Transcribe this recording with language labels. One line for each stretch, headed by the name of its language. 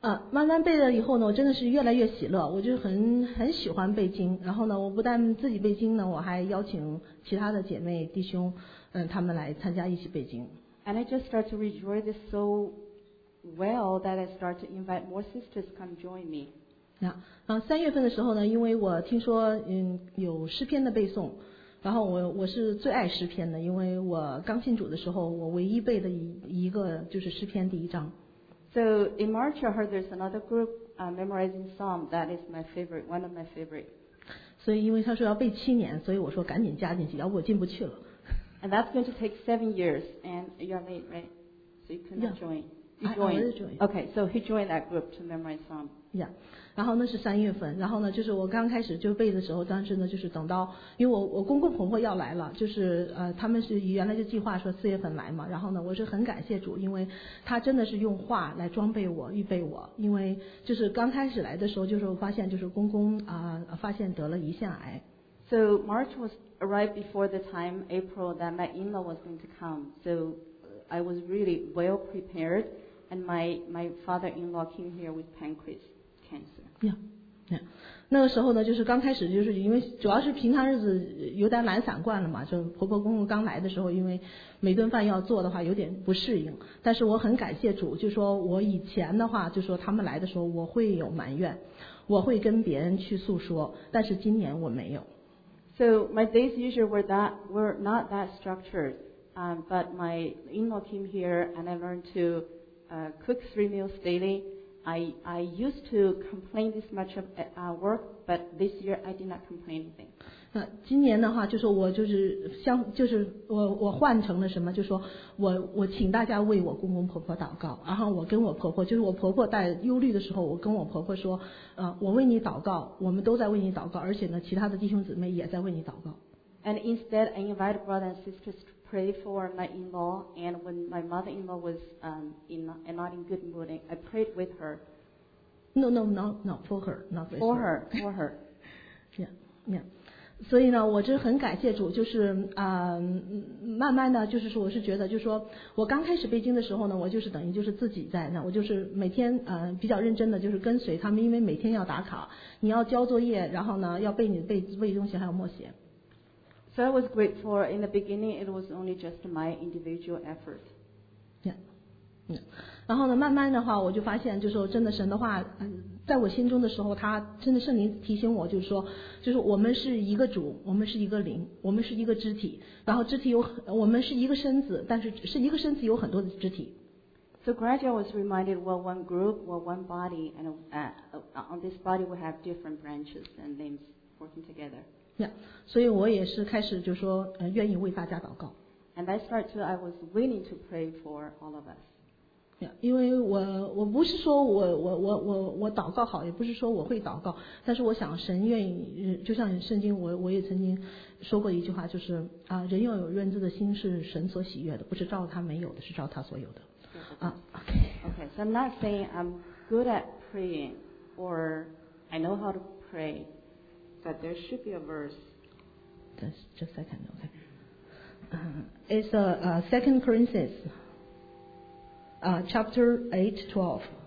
Chinese: 慢慢背了以后呢，我真的是越来越喜乐，我就很喜欢背经。然后呢我不但自己背经呢，我还邀请其他的姐妹弟兄他们来参加一起背经。
English: And I just start to enjoy this so well that I start to invite more sisters to come join me.
Chinese: 三月份的时候呢，因为我听说有诗篇的背诵，然后我是最爱诗篇的，因为我刚信主的时候我唯一背的一个就是诗篇第一章。
English: So in March I heard there's another group memorizing Psalm. That is my favorite, one of my favorite.
Chinese: 所以因为他说要背七年，所以我说赶紧加进去，要不我进不去了。
English: And that's going to take 7 years, and you are late, right? So you cannot join. I joined. Okay, so he joined that group to memorize Psalm. Yeah.
Chinese: 然后那是三月份，然后呢，就是我刚开始就背的时候，当时呢就是等到，因为我公公婆婆要来了，就是他们是原来就计划说四月份来嘛，然后呢，我是很感谢主，因为他真的是用话来装备我、预备我，因为就是刚开始来的时候，就是我发现就是公公发现得了胰腺癌。
English: So March was. Arrived before the time April that my in-law was going to come, so I was really well prepared, and my father-in-law came here with pancreas cancer. Yeah.
Chinese: 那个时候呢，就是刚开始就是因为主要是平常日子有点懒散惯了嘛，就婆婆公公刚来的时候，因为每顿饭要做的话有点不适应。但是我很感谢主，就说我以前的话，就说他们来的时候我会有埋怨，我会跟别人去诉说，但是今年我没有。
English: So my days usually were not that structured, but my in-law came here and I learned to cook 3 meals daily. I used to complain this much of our work, but this year I did not complain anything.
Chinese: 今年的话，就是我就是像就是我换成了什么？就是、说我请大家为我公公婆婆祷告，然后我跟我婆婆，就是我婆婆在忧虑的时候，我跟我婆婆说，我为你祷告，我们都在为你祷告，而且呢，其他的弟兄姊妹也在为你祷告。
English: And instead, I invite brothers and sisters to pray for my in-law. And when my mother-in-law was not in good mood, I prayed with her. No, for her, not for her. For her. Yeah.
Chinese: 所以呢，我是很感谢主，就是慢慢的，就是说，我是觉得，就是说我刚开始背经的时候呢，我就是等于就是自己在那，我就是每天比较认真的，就是跟随他们，因为每天要打卡，你要交作业，然后呢要背你的背东西，还有默写。
English: So I was grateful in the beginning. It was only just my individual effort. Yeah.
Chinese: 然后呢，慢慢的话，我就发现，就是说真的神的话。在我心中的时候，他真的圣灵提醒我，就是说，就是我们是一个主，我们是一个灵，我们是一个肢体，然后肢体有，我们是一个身子，但是是一个身子有很多的肢体。
English: So gradually I was reminded, well, one group, well, one body, and on this body we have different branches and limbs working together.
Chinese: Yeah, 所以我也是开始就说，愿意为大家祷告。
English: And I started to, I was willing to pray for all of us.
Chinese: 因为我不是说我祷告好，也不是说我会祷告，但是我想神愿意，就像圣经我也曾经说过一句话，就是人要有认知的心是神所喜悦的，不是照他没有的，是照他所有的。
English: Okay, so I'm not saying I'm good at praying or I know how to pray, but there should be a verse. Just a second, okay. It's a Second Corinthians. Chapter 8:12.